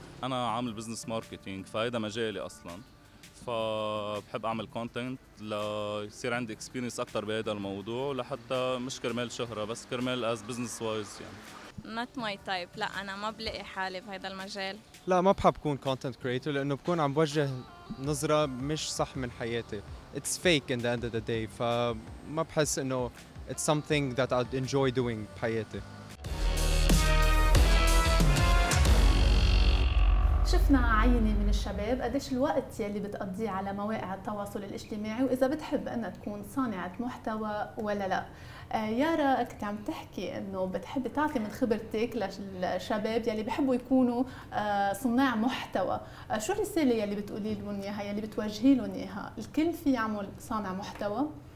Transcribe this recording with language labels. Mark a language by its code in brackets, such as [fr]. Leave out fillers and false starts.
[ar] أنا عامل بزنس ماركتينج، فهيدا مجالي أصلاً، فبحب أعمل كونتنت ليصير عندي [en] experience [ar] أكتر بهذا الموضوع، لحتى مش كرمال شهرة بس كرمال [en] as business wise [ar] يعني. [en] Not my type. [ar] لا أنا ما بلاقي حالي بهيدا المجال. لا ما بحب كون [en] content creator [ar] لأنه بكون عم بوجه نظرة مش صح من حياتي. [en] It's fake in the end of the day. [ar] فما بحس إنه [en] it's something that I'd enjoy doing [ar] بحياتي. شفنا عيني من الشباب قديش الوقت يلي بتقضيه على مواقع التواصل الاجتماعي وإذا بتحب أن تكون صانعة محتوى ولا لا. يارا كنت عم تحكي أنه بتحب تعطي من خبرتك للشباب يلي بحبوا يكونوا صناع محتوى، شو الرسالة يلي بتقولي لهم إياها يلي بتوجهي لهم إياها؟ الكل في يعمل صانع محتوى؟